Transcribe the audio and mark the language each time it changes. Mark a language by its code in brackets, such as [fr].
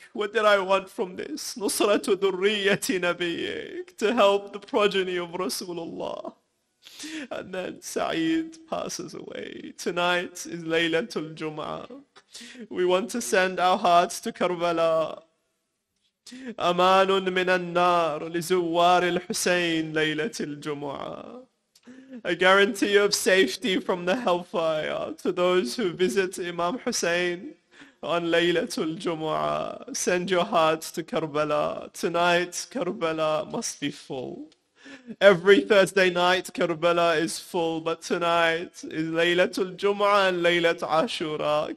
[en] What did I want from this? [ar] نُصْرَةُ ذُرِّيَّةِ نَبِيِّكَ. [en] To help the progeny of Rasulullah. And then Sa'id passes away. Tonight is Laylatul Jum'ah. We want to send our hearts to Karbala. [ar] أمان من النار لزوار الحسين ليلة الجمعة. [en] A guarantee of safety from the hellfire to those who visit Imam Hussein on Laylatul Jumu'ah. Send your hearts to Karbala. Tonight Karbala must be full. Every Thursday night Karbala is full, but tonight is Laylatul Jumu'ah and Laylat Ashura.